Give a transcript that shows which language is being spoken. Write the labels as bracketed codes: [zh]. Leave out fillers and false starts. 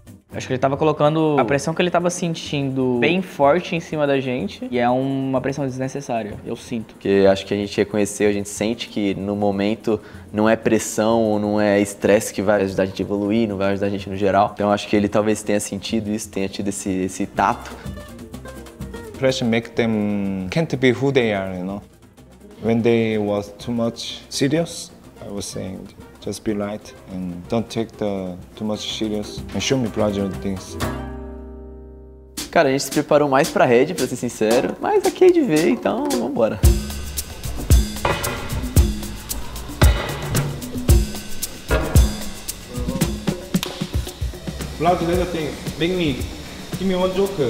[pt] Eu acho que ele tava colocando a pressão que ele tava sentindo bem forte em cima da gente. E é uma pressão desnecessária, eu sinto. Porque acho que a gente reconheceu, a gente sente que no momento não é pressão ou não é estresse que vai ajudar a gente a evoluir, não vai ajudar a gente no geral. Então acho que ele talvez tenha sentido isso, tenha tido esse tato. [en] Pressure make them can't be who they are, you know. When they was too much serious, I was saying just be light and don't take the too much serious and show me pleasure things. [pt] Cara, a gente se preparou mais pra Red, pra ser sincero, mas aqui é de ver, então vambora. [en] Pleasure thing, bring me. Give me one joker.